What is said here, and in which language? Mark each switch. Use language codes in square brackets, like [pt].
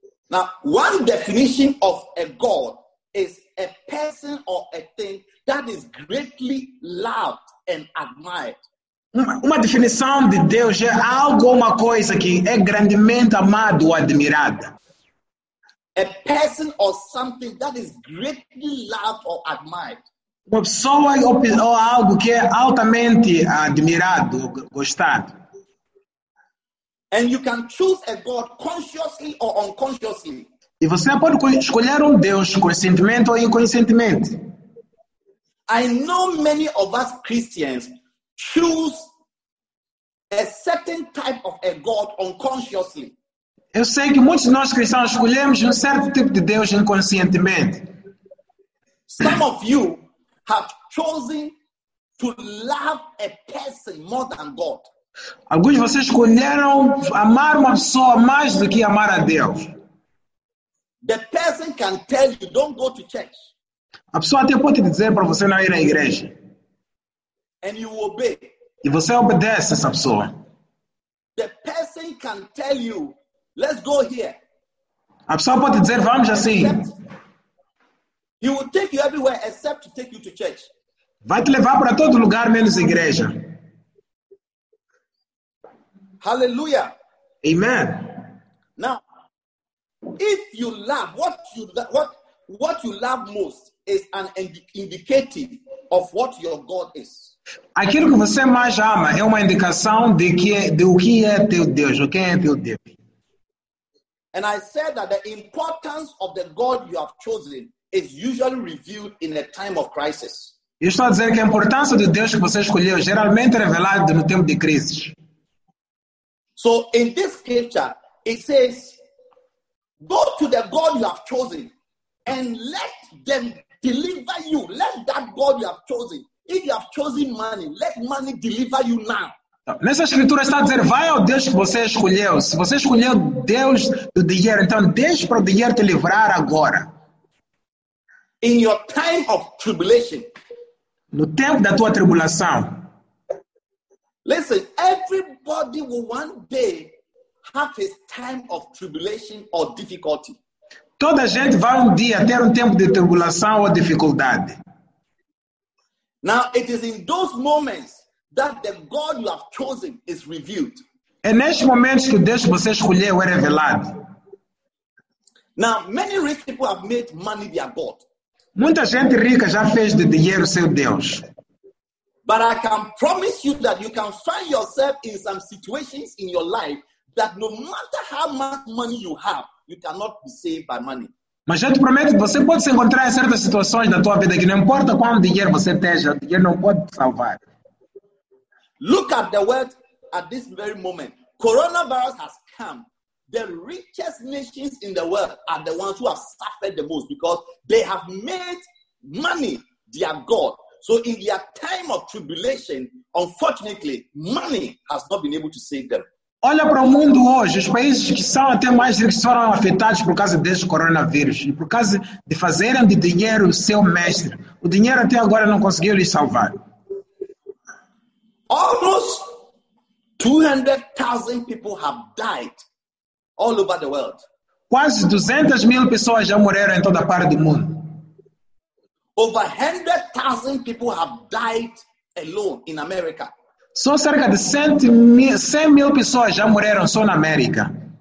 [en] Now, one definition of a God is a person or a thing that is greatly loved and admired. [pt] Uma definição de Deus é algo, uma coisa que é grandemente amada ou admirada. [en] A person or something that is greatly loved or admired. [pt] Uma pessoa ou algo que é altamente admirado, gostado. [en] And you can choose a God consciously or unconsciously. [pt] E você pode escolher Deus conscientemente ou inconscientemente. [en] I know many of us Christians choose a certain type of a God unconsciously. [pt] Eu sei que muitos de nós cristãos escolhemos certo tipo de Deus inconscientemente. [en] Some of you have chosen to love a person more than God. [pt] Alguns de vocês escolheram amar uma pessoa mais do que amar a Deus. [en] The person can tell you, don't go to church. [pt] A pessoa até pode dizer para você não ir à igreja. [en] And you obey. [pt] E você obedece essa pessoa. [en] The person can tell you, let's go here. [pt] A pessoa pode dizer, vamos assim. [en] He will take you everywhere except to take you to church. [pt] Vai te levar para todo lugar menos igreja. [en] Hallelujah. Amen. Now, if you love what you love most is an indicative of what your God is. [pt] Aquilo que você mais ama é uma indicação de o que é teu Deus, o que é teu Deus. [en] And I said that the importance of the God you have chosen is usually revealed in a time of crisis. [pt] Eu estou a dizer que a importância do Deus que você escolheu geralmente é revelada no tempo de crise. [en] So in this scripture, it says, go to the God you have chosen and let them deliver you. Let that God you have chosen. If you have chosen money, let money deliver you now. [pt] Nessa escritura está a dizer, vai ao Deus que você escolheu. Se você escolheu Deus do dinheiro, então deixe para o dinheiro te livrar agora. [en] In your time of tribulation. [pt] No tempo da tua tribulação. [en] Listen, everybody will one day have his time of tribulation or difficulty. [pt] Toda gente vai um dia ter tempo de tribulação ou dificuldade. [en] Now, it is in those moments that the God you have chosen is revealed. [pt] É nesses momentos que Deus você escolheu é revelado. [en] Now, many rich people have made money their God. [pt] Muita gente rica já fez de dinheiro seu Deus. [en] But I can promise you that you can find yourself in some situations in your life that no matter how much money you have, you cannot be saved by money. [pt] Mas eu te prometo que você pode se encontrar em certas situações na tua vida que não importa quanto dinheiro você tenha, o dinheiro não pode salvar. [en] Look at the world at this very moment. Coronavirus has come. The richest nations in the world are the ones who have suffered the most because they have made money their God. So in their time of tribulation, unfortunately, money has not been able to save them. [pt] Olha para o mundo hoje, os países que são até mais ricos foram afetados por causa deste coronavírus, e por causa de fazerem de dinheiro seu mestre. O dinheiro até agora não conseguiu lhes salvar. [en] Almost 200,000 people have died all over the world. [pt] Quase 200 mil pessoas já morreram em toda a parte do mundo. [en] Over 100,000 people have died alone in America. [pt] Só cerca de 100 mil pessoas já morreram só na América.